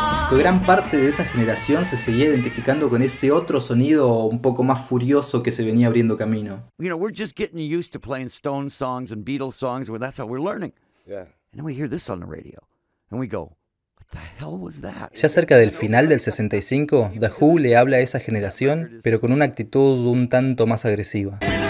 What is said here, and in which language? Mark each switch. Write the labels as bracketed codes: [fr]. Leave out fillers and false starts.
[es] Pero gran parte de esa generación se seguía identificando con ese otro sonido un poco más furioso que se venía abriendo camino. [en] You know, we're just getting used to playing Stones songs and Beatles songs, where that's how we're learning. Yeah. And then we hear this on the radio and we go, what the hell was that? [es] Ya cerca del final del 65, The Who le habla a esa generación, pero con una actitud un tanto más agresiva.